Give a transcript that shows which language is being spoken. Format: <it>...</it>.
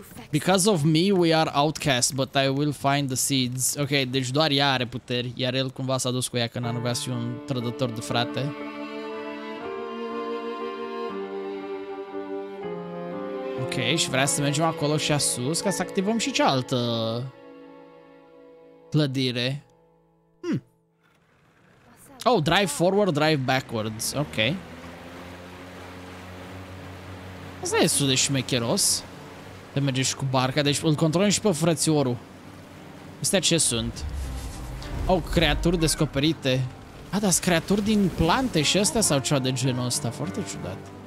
<en>Because of me, we are outcast, but I will find the seeds.</en> <ro>Ok, deci doar ea are puteri, iar el cumva s-a dus cu ea că n-ar vrea să fie un trădător de frate. Ok, și vrea să mergem acolo și asus ca să activăm și cealaltă clădire.</ro> <en>Oh, drive forward, drive backwards. Ok.</en> <ro>Asta e destul de șmecheros. Te merge și cu barca, deci îl controlăm și pe frățiorul. Astea ce sunt? Oh, creaturi descoperite. Ah, dar sunt creaturi din plante și astea sau ceva de genul ăsta? Foarte ciudat.</ro>